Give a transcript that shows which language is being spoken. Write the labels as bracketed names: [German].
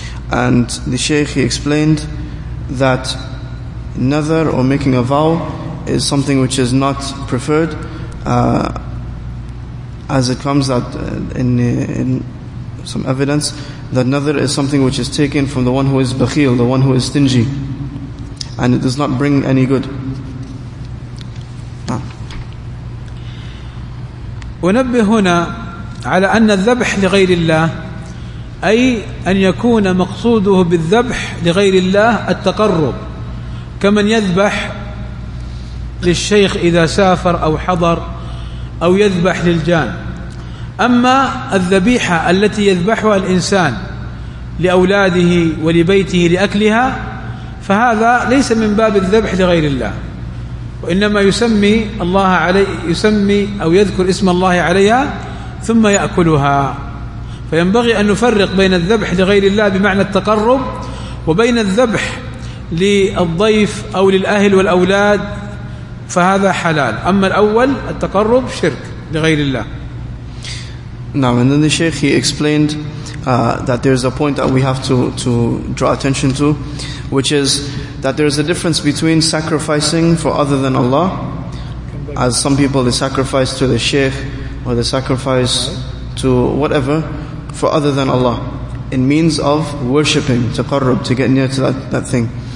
[English] And the Shaykh, he explained that nadhar, or making a vow, is something which is not preferred, as it comes that in some evidence that nadhar is something which is taken from the one who is bakhil, the one who is stingy, and it does not bring any good. [Arabic] أنبه هنا على أن الذبح لغير الله أي أن يكون مقصوده بالذبح لغير الله التقرب, كمن يذبح للشيخ إذا سافر أو حضر, أو يذبح للجان. أما الذبيحة التي يذبحها الإنسان لأولاده ولبيته لأكلها, فهذا ليس من باب الذبح لغير الله, وإنما يسمي الله عليه, يسمي أو يذكر اسم الله عليها ثم يأكلها. فينبغي أن نفرق بين الذبح لغير الله بمعنى التقرب, وبين الذبح للضيف أو للأهل والأولاد, فهذا حلال. أما الأول التقرب شرك لغير الله. [English] Now, and then the Shaykh, he explained that there is a point that we have to draw attention to, which is that there is a difference between sacrificing for other than Allah, as some people they sacrifice to the Shaykh or they sacrifice to whatever for other than Allah in means of worshipping, taqarrub, to get near to that thing.